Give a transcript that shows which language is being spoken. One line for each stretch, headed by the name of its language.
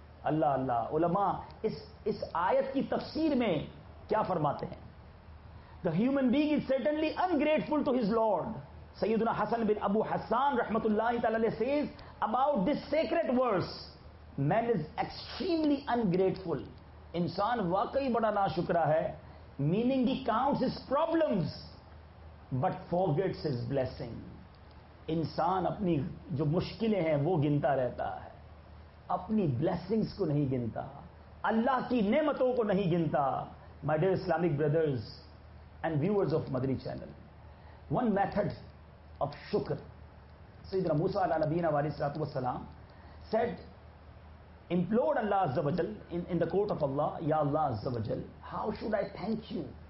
Urdu: اللہ اللہ، علماء اس آیت کی تفسیر میں کیا فرماتے ہیں؟
English: The human being is certainly ungrateful to his Lord. سیدنا حسن بن ابو حسان رحمت اللہ تعالی says about this sacred verse, man is extremely ungrateful.
Urdu: انسان واقعی بڑا ناشکرا ہے.
English: Meaning he counts his problems but forgets his blessing.
Urdu: انسان اپنی جو مشکلیں ہیں وہ گنتا رہتا ہے، اپنی blessings کو نہیں گنتا، اللہ کی نعمتوں کو نہیں گنتا.
English: My dear Islamic brothers and viewers of Madani channel, one method of shukr, Sayyidina Musa ala nabiyyina wa alayhi salatu wassalam said, implored Allah azza wa jal in the court of Allah, Ya Allah azza wa jal, how should I thank you?